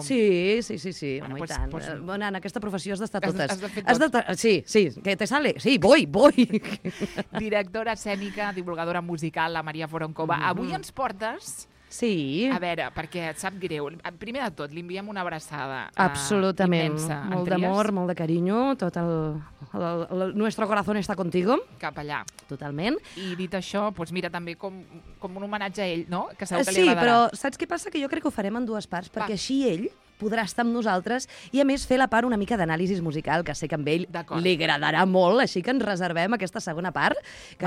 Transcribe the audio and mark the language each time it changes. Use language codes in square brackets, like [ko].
[ca] Sí, sí, sí, sí. Bueno, pues, tant. Pues... Bueno, en aquesta professió has d'estar totes. Has de fer tot. [es] Sí, sí. Que te sale? Sí, voy. [ca] Directora escènica, divulgadora musical, la Maria Broncova. Mm-hmm. Avui ens portes... Sí. A veure, perquè et sap greu. Primer de tot, li enviem una abraçada. Absolutament. Immensa. Molt d'amor, molt de carinyo. Tot el [es] nuestro corazón está contigo. [ca] Cap allà. Totalment. I dit això, doncs mira, també com un homenatge a ell, no? Que segur que sí, li agradarà. Sí, però saps què passa? Que jo crec que ho farem en dues parts, perquè així ell podrà estar amb nosaltres i, a més, fer la part una mica d'anàlisi musical, que sé que amb ell li agradarà molt, així que ens reservem aquesta segona part, que